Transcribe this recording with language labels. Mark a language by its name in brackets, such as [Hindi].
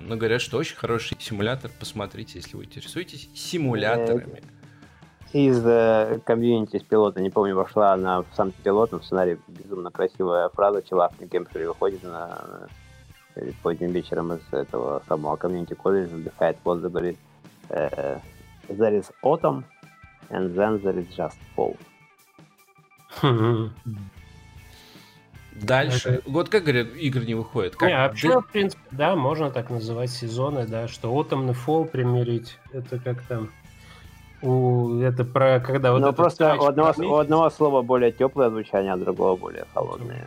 [Russian] Но говорят, что очень хороший симулятор. Посмотрите, если вы интересуетесь симуляторами. Из комьюнити, из пилота, не помню, вошла она в сам пилот, но в сценарии безумно красивая фраза. Чувак на геймшере выходит поздним вечером из этого самого комьюнити колледжа, вдыхает воздух, говорит... [English] There is autumn, and then there is just fall. [Russian] Дальше. Это... Вот как, говорят, игры не выходят. Как... Не, вообще, в принципе, да, можно так называть сезоны, да, что autumn и fall примирить, это как там... Это про когда вот... Ну, просто трач, у одного слова более теплое звучание, а другого более холодное.